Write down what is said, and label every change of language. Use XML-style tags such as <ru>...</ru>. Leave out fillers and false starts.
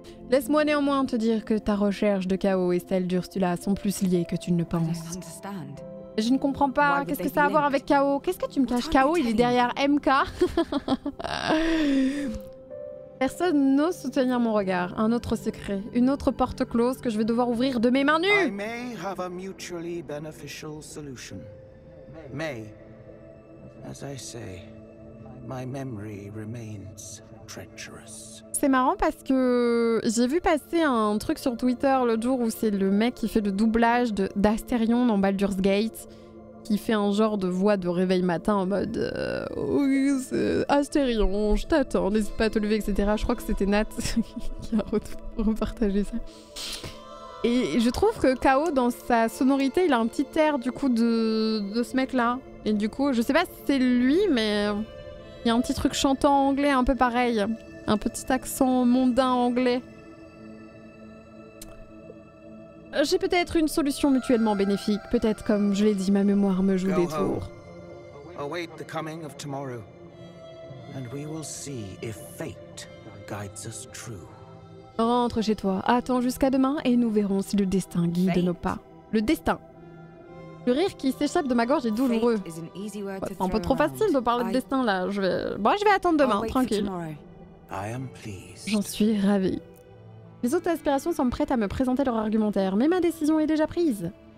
<fr>Laisse-moi néanmoins te dire que ta recherche de chaos et celle d'Ursula sont plus liées que tu ne le penses. Je ne comprends pas. Qu'est-ce que ça a à voir avec chaos? Qu'est-ce que tu me caches? Chaos, il est derrière MK. Personne n'ose soutenir mon regard. Un autre secret, une autre porte close que je vais devoir ouvrir de mes mains nues.</fr> <en>I may have a mutually beneficial solution. May, as I say, my memory remains treacherous.</en> <fr>C'est marrant parce que j'ai vu passer un truc sur Twitter l'autre jour où c'est le mec qui fait le doublage d'Astérion dans Baldur's Gate qui fait un genre de voix de réveil matin en mode oui, c'est Astérion, je t'attends, n'hésite pas à te lever, etc. Je crois que c'était Nat qui a repartagé ça. Et je trouve que K.O. dans sa sonorité, il a un petit air du coup de ce mec-là. Et du coup, je sais pas si c'est lui, mais il y a un petit truc chantant anglais un peu pareil. Un petit accent mondain anglais. J'ai peut-être une solution mutuellement bénéfique. Peut-être, comme je l'ai dit, ma mémoire me joue des tours.</fr> <en>Await the coming of tomorrow, and we will see if fate guides us true.</en> <fr>Rentre chez toi. Attends jusqu'à demain et nous verrons si le destin guide</fr> <en>fate.</en> <fr>Nos pas. Le destin. Le rire qui s'échappe de ma gorge est douloureux. C'est un peu trop facile de parler de destin là. Je vais attendre demain, tranquille.</fr> <en>I am pleased.</en> <fr>J'en suis ravie. Les autres aspirations semblent prêtes à me présenter leur argumentaire, mais ma décision est déjà prise.</fr>